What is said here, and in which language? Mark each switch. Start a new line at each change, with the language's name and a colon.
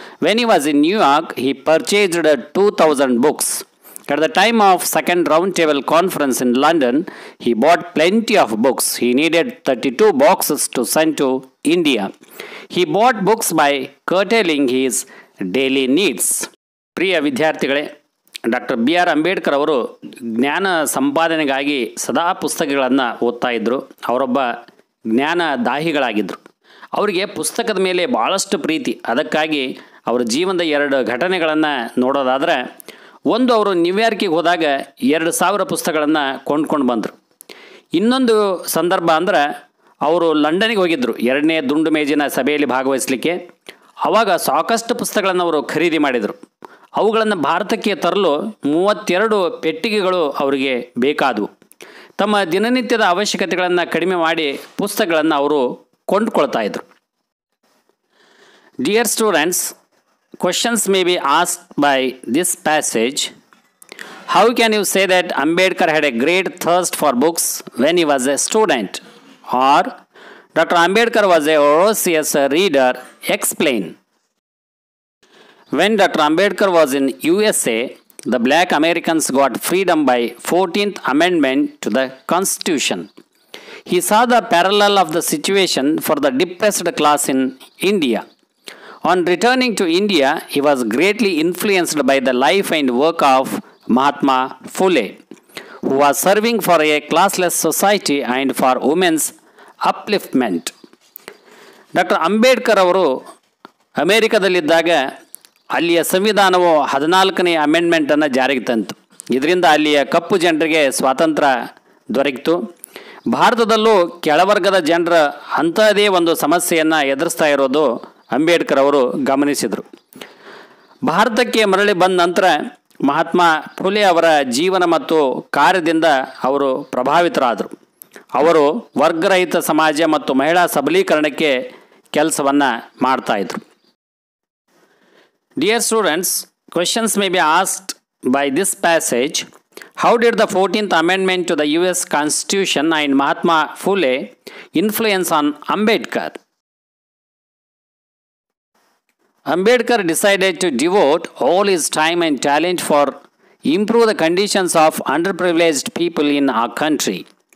English: When he was in New York, he purchased 2,000 books. At the time of Second Roundtable Conference in London, he bought plenty of books. He needed 32 boxes to send to India. He bought books by curtailing his daily needs.
Kannada: ಪ್ರಿಯ ವಿದ್ಯಾರ್ಥಿಗಳೇ, doctor B R Ambedkar ಅವರು ಜ್ಞಾನ ಸಂಪಾದನೆಗಾಗಿ ಸದಾ ಪುಸ್ತಕಗಳನ್ನು ಓದ್ತಾಯಿದ್ರು. ಅವರೊಬ್ಬ ಜ್ಞಾನ ದಾಹಿಗಳಾಗಿದ್ದರು. ಅವರಿಗೆ ಪುಸ್ತಕದ ಮೇಲೆ ಭಾಳಷ್ಟು ಪ್ರೀತಿ. ಅದಕ್ಕಾಗಿ ಅವರ ಜೀವನದ ಎರಡು ಘಟನೆಗಳನ್ನು ನೋಡೋದಾದರೆ, ಒಂದು, ಅವರು ನ್ಯೂಯಾರ್ಕಿಗೆ ಹೋದಾಗ 2,000 ಪುಸ್ತಕಗಳನ್ನು ಕೊಂಡ್ಕೊಂಡು ಬಂದರು. ಇನ್ನೊಂದು ಸಂದರ್ಭ ಅಂದರೆ, ಅವರು ಲಂಡನ್ಗೆ ಹೋಗಿದ್ದರು ಎರಡನೇ ದುಂಡು ಮೇಜಿನ ಸಭೆಯಲ್ಲಿ ಭಾಗವಹಿಸಲಿಕ್ಕೆ. ಆವಾಗ ಸಾಕಷ್ಟು ಪುಸ್ತಕಗಳನ್ನು ಅವರು ಖರೀದಿ ಮಾಡಿದರು. ಅವುಗಳನ್ನು ಭಾರತಕ್ಕೆ ತರಲು 32 ಪೆಟ್ಟಿಗೆಗಳು ಅವರಿಗೆ ಬೇಕಾದವು. ತಮ್ಮ ದಿನನಿತ್ಯದ ಅವಶ್ಯಕತೆಗಳನ್ನು ಕಡಿಮೆ ಮಾಡಿ ಪುಸ್ತಕಗಳನ್ನು ಅವರು ಕೊಂಡುಕೊಳ್ತಾ ಇದ್ರು.
English: Dear students, questions may be asked by this passage. How can you say that Ambedkar had a great thirst for books when he was a student, or doctor Ambedkar was a voracious reader? Explain. When Dr. Ambedkar was in USA, the black Americans got freedom by 14th Amendment to the Constitution. He saw the parallel of the situation for the depressed class in India. On returning to India, he was greatly influenced by the life and work of Mahatma Phule, who was serving for a classless society and for women's upliftment. Dr.
Kannada: Ambedkar avaru Americadalliddaga ಅಲ್ಲಿಯ ಸಂವಿಧಾನವು 14ನೇ ಅಮೆಂಡ್ಮೆಂಟನ್ನು ಜಾರಿಗೆ ತಂತು. ಇದರಿಂದ ಅಲ್ಲಿಯ ಕಪ್ಪು ಜನರಿಗೆ ಸ್ವಾತಂತ್ರ್ಯ ದೊರಕಿತು. ಭಾರತದಲ್ಲೂ ಕೆಳವರ್ಗದ ಜನರ ಅಂಥದೇ ಒಂದು ಸಮಸ್ಯೆಯನ್ನು ಎದುರಿಸ್ತಾ ಇರೋದು ಅಂಬೇಡ್ಕರ್ ಅವರು ಗಮನಿಸಿದರು. ಭಾರತಕ್ಕೆ ಮರಳಿ ಬಂದ ನಂತರ ಮಹಾತ್ಮ ಫುಲೆ ಅವರ ಜೀವನ ಮತ್ತು ಕಾರ್ಯದಿಂದ ಅವರು ಪ್ರಭಾವಿತರಾದರು. ಅವರು ವರ್ಗರಹಿತ ಸಮಾಜ ಮತ್ತು ಮಹಿಳಾ ಸಬಲೀಕರಣಕ್ಕೆ ಕೆಲಸವನ್ನು ಮಾಡ್ತಾಯಿದ್ರು.
English: Dear students, questions may be asked by this passage. How did the 14th Amendment to the US Constitution and Mahatma Phule influence on Ambedkar? Ambedkar decided to devote all his time and talent for improve the conditions of underprivileged people in our country.